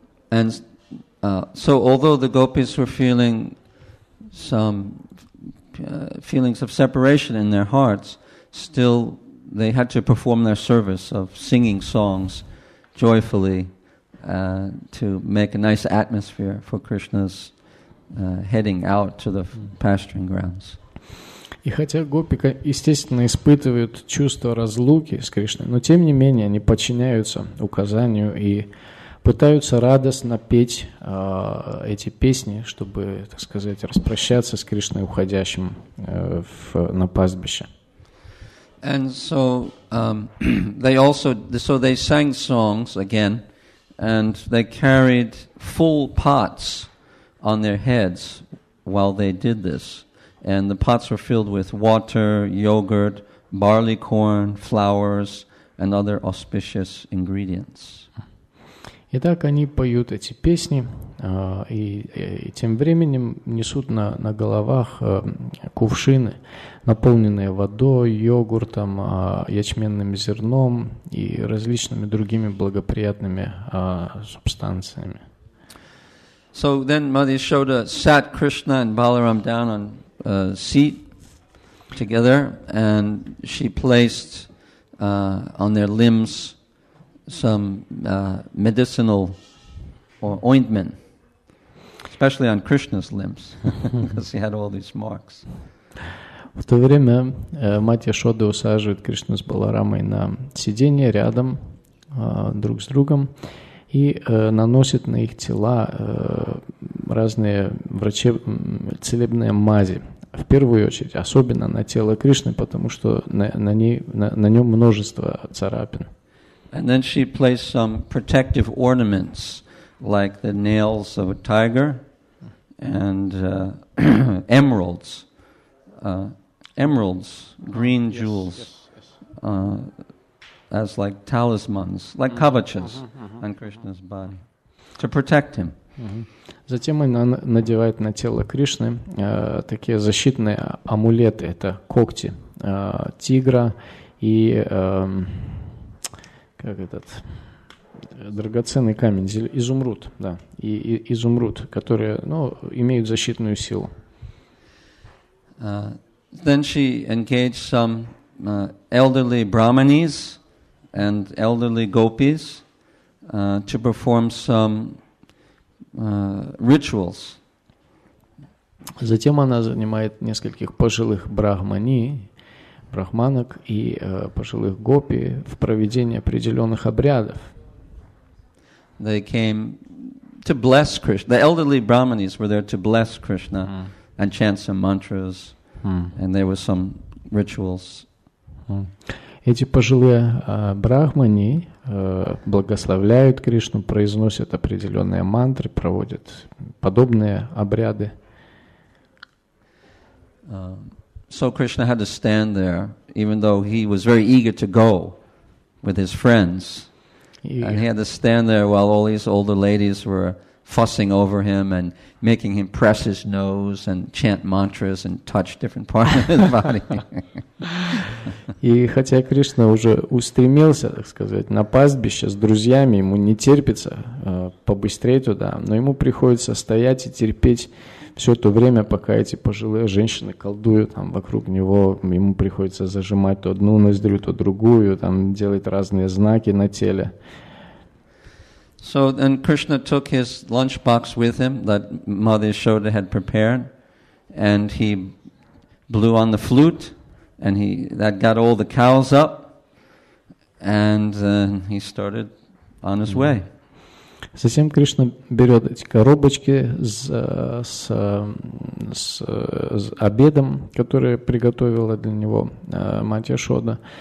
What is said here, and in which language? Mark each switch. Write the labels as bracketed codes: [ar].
[en] And so although the gopis were feeling some feelings of separation in their hearts, still they had to perform their service of singing songs joyfully to make a nice atmosphere for Krishna's heading out to the pasturing grounds. [ru] И хотя гопи, естественно, испытывают чувство разлуки с Кришной, но тем не менее они подчиняются указанию и пытаются радостно петь эти песни, чтобы, так сказать, распрощаться с Кришной, уходящим на пастбище. [en] And so they also, so they sang songs again, and they carried full pots on their heads while they did this. And the pots were filled with water, yogurt, barley corn, flowers, and other auspicious ingredients. [ru] Итак, они поют эти песни, и тем временем несут на головах кувшины, наполненные водой, йогуртом, ячменным зерном и различными другими благоприятными субстанциями. [en] So then Mother Yashoda sat Krishna and Balaram down on a seat together, and she placed on their limbs some medicinal ointment, especially on Krishna's limbs, because he had all these marks. [ru] В то время мать Яшода усаживает Кришну с Баларамой на сиденье рядом друг с другом и наносит на их тела разные целебные мази. В первую очередь, особенно на тело Кришны, потому что на нем множество царапин. [en] And then she placed some protective ornaments, like the nails of a tiger, and emeralds, green jewels, as like talismans, like kavachas on Krishna's body to protect him. [ru] Затем она надевает на тело Кришны такие защитные амулеты, это когти тигра и как этот драгоценный камень, изумруд, да, и изумруд, которые, ну, имеют защитную силу. [en] Then she engaged some elderly brahmanis and elderly gopis to perform some rituals. [ru] Затем она занимает нескольких пожилых брахмани, брахманок и пожилых гопи в проведении определенных обрядов. [en] They came to bless Krishna. The elderly brahmanis were there to bless Krishna and chant some mantras. And there were some rituals. [ru] Эти пожилые брахмани благословляют Кришну, произносят определенные мантры, проводят подобные обряды. [en] So Krishna had to stand there, even though he was very eager to go with his friends. And he had to stand there while all these older ladies were fussing over him and making him press his nose and chant mantras and touch different parts of his body. [ru] И хотя Кришна уже устремился, так сказать, на пастбище с друзьями, ему не терпится побыстрее туда, но ему приходится стоять и терпеть все то время, пока эти пожилые женщины колдуют там вокруг него, ему приходится зажимать то одну ноздрю, то другую, там делать разные знаки на теле. [en] So then Krishna took his lunchbox with him that Mother Yashoda had prepared, and he blew on the flute, and that got all the cows up, and he started on his way. [ru] Затем Кришна берет эти коробочки с обедом, которые приготовила для него Мать Яшода.